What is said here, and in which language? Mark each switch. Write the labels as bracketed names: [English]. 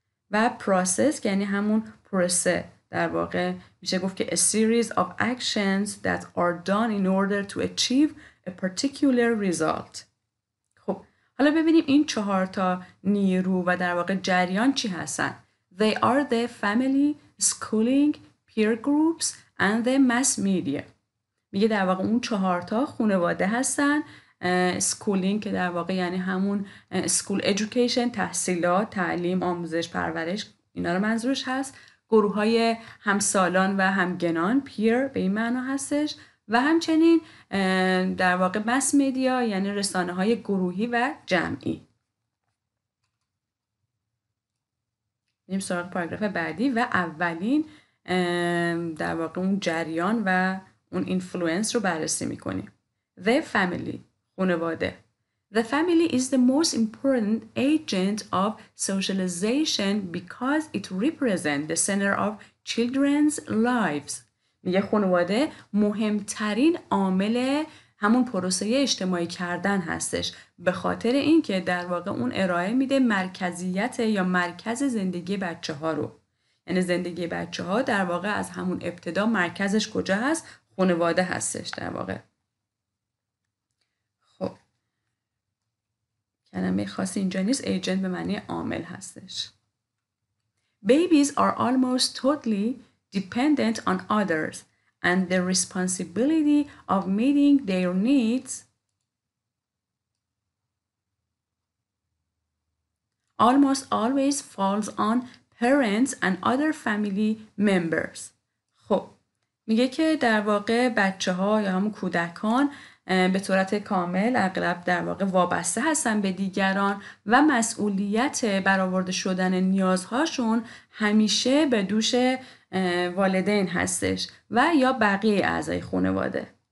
[Persian] و process که یعنی همون پروسه، در واقع میشه گفت که [English] a series of actions that are done in order to achieve a particular result. [Persian] خب حالا ببینیم این چهار تا نیرو و در واقع جریان چی هستن. [English] They are the family, schooling, peer groups and the mass media. [Persian] میگه در واقع اون چهار تا خانواده هستن، schooling که در واقع یعنی همون school education، تحصیلات، تعلیم، آموزش، پرورش، اینا رو منظورش هست، گروه های همسالان و همگنان، پیر به این معنی هستش، و همچنین در واقع مس میدیا یعنی رسانه های گروهی و جمعی. بریم سراغ پاراگراف بعدی و اولین در واقع اون جریان و اون اینفلوئنس رو بررسی میکنیم. [English] The family، خانواده. The family is the most important agent of socialization because it represents the center of children's lives. [Persian] میگه خانواده مهمترین عامل همون پروسه اجتماعی کردن هستش، به خاطر اینکه در واقع اون ارائه میده مرکزیت یا مرکز زندگی بچه ها رو. یعنی زندگی بچه ها در واقع از همون ابتدا مرکزش کجا هست؟ خانواده هستش در واقع. کلمه خاصی اینجا نیست، ایجنت به معنی عامل هستش. [English] Babies are almost totally dependent on others and the responsibility of meeting their needs. Almost always falls on parents and other family members. [Persian] خب میگه که در واقع بچه‌ها یا همون کودکان به صورت کامل اغلب در واقع وابسته هستن به دیگران و مسئولیت برآورده شدن نیازهاشون همیشه به دوش والدین هستش و یا بقیه اعضای خانواده.